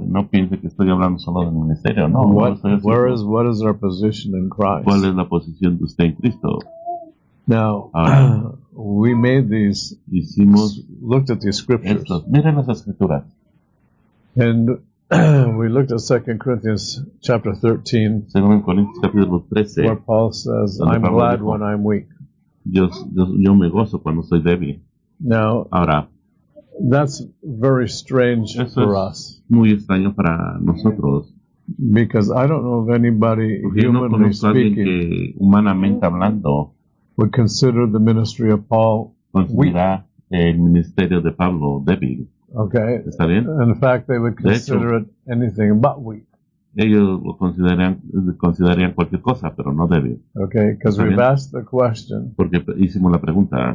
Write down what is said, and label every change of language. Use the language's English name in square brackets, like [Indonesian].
[Spanish] No piense que estoy hablando solo del ministerio. No. [English] What is our position in Christ? [Spanish] ¿Cuál es la posición de usted en Cristo? [English] Now, we made these. [Spanish] Hicimos. [English] Looked at these scriptures. [Spanish] Estos. Miren las escrituras. [English] And we looked at 2 Corinthians chapter 13, [Spanish] Segundo Corintios capítulo 13, [English] where Paul says, I'm glad dijo, when I'm weak. [Spanish] Yo me gozo cuando soy débil. [English] Now, [Spanish] ahora, [English] that's very strange [Spanish] eso [English] for [Spanish] es [English] us. [Spanish] Muy extraño para nosotros. [English] Because I don't know of anybody, [Spanish] porque [English] humanly [Spanish] no [English] speaking, [Spanish] que humanamente hablando, [English] would consider the ministry of Paul [Spanish] considera [English] weak. [Spanish] El ministerio de Pablo débil. [English] Okay. [Spanish] ¿Está bien? [English] In fact, they would consider [Spanish] hecho, [English] it anything but weak. [Spanish] Ellos lo considerarían cualquier cosa, pero no débil. [English] Okay, because we've [Spanish] bien? [English] Asked the question. [Spanish] Porque hicimos la pregunta.